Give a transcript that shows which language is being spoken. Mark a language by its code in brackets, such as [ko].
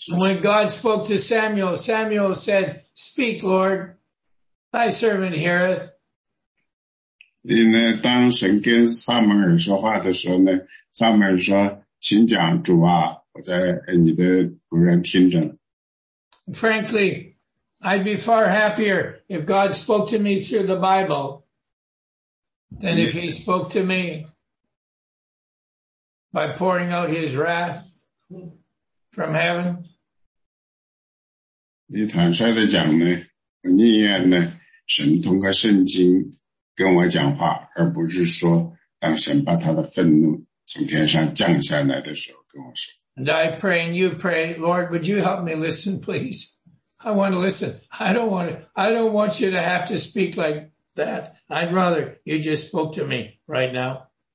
[en] when God spoke to Samuel, Samuel said, speak, Lord, thy servant heareth. [zh] 当神跟撒母耳说话的时候呢, 撒母耳说, 请讲主啊, 我在你的仆人听着。 [en] Frankly, I'd be far happier if God spoke to me through the Bible than if he spoke to me by pouring out his wrath from heaven. [zh] 你坦率地讲呢, 神通过圣经跟我讲话, 而不是说, 当神把他的愤怒从天上降下来的时候跟我说。 [en] And I pray and you pray, Lord, would you help me listen, please? I want to listen. I don't want you to have to speak like that. I'd rather you just spoke to me right now.